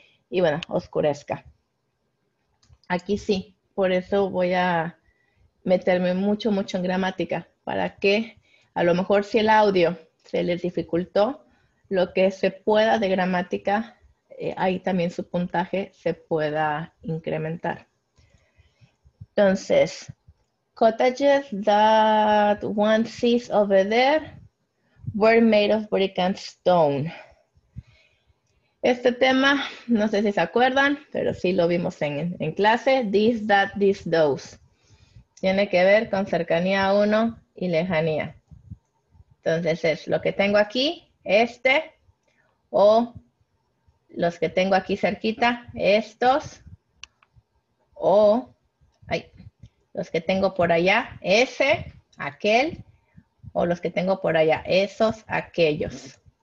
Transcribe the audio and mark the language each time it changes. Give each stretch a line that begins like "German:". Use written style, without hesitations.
Spanish: Y bueno, oscurezca. Aquí sí, por eso voy a meterme mucho, mucho en gramática. Para que, a lo mejor si el audio se les dificultó, lo que se pueda de gramática, ahí también su puntaje se pueda incrementar. Entonces,
English: cottages that one sees over there were made of brick and stone.
Spanish: Este tema, no sé si se acuerdan, pero sí lo vimos en clase.
English: This, that, this, those.
Spanish: Tiene que ver con cercanía a uno y lejanía. Entonces es lo que tengo aquí, este, o los que tengo aquí cerquita, estos, o ay, los que tengo por allá, ese, aquel, o los que tengo por allá, esos, aquellos.